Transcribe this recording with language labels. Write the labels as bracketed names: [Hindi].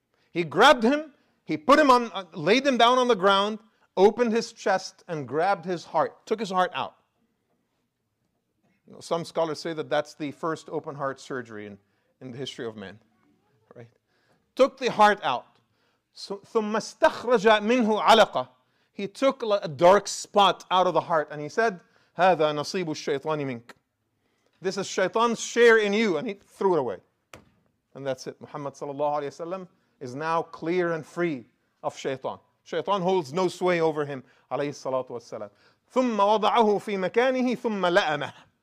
[English] He grabbed him, he put him on, laid him down on the ground, opened his chest and grabbed his heart, took his heart out. You know, some scholars say that that's the first open heart surgery in the history of man. Right? Took the heart out. So, [Arabic] ثُمَّ اسْتَخْرَجَ مِنْهُ عَلَقَ. [English] He took a dark spot out of the heart and he said, [Arabic] هَذَا نَصِيبُ الشَّيْطَانِ مِنْكَ. [English] This is shaitan's share in you. And he threw it away. And that's it. Muhammad sallallahu alayhi wa sallam is now clear and free of shaitan. Shaitan holds no sway over him, alayhi salatu wasalam. [Arabic] ثُمَّ وَضَعَهُ فِي مَكَانِهِ ثُمَّ لَأَمَهُ.